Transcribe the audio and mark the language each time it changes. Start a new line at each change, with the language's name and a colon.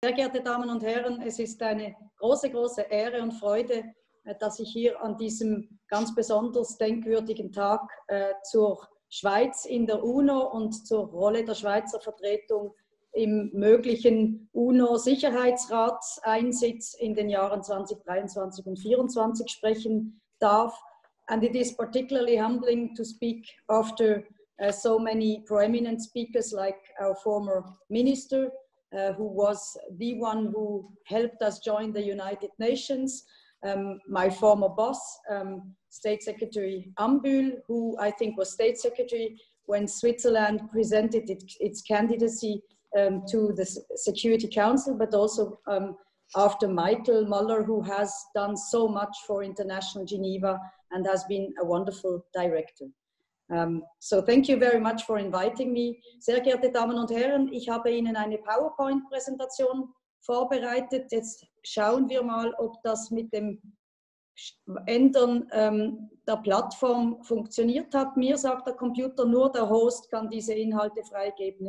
German: Sehr geehrte Damen und Herren, es ist eine große, große Ehre und Freude, dass ich hier an diesem ganz besonders denkwürdigen Tag zur Schweiz in der UNO und zur Rolle der Schweizer Vertretung im möglichen UNO-Sicherheitsratseinsitz in den Jahren 2023 und 2024 sprechen darf.
English: And it is particularly humbling to speak after so many prominent speakers like our former minister, who was the one who helped us join the United Nations, my former boss, State Secretary Ambühl, who I think was State Secretary when Switzerland presented its candidacy to the Security Council, but also after Michael Muller, who has done so much for International Geneva and has been a wonderful director. So thank you very much for inviting me.
German: Sehr geehrte Damen und Herren, ich habe Ihnen eine PowerPoint-Präsentation vorbereitet. Jetzt schauen wir mal, ob das mit dem Ändern der Plattform funktioniert hat. Mir sagt der Computer, nur der Host kann diese Inhalte freigeben.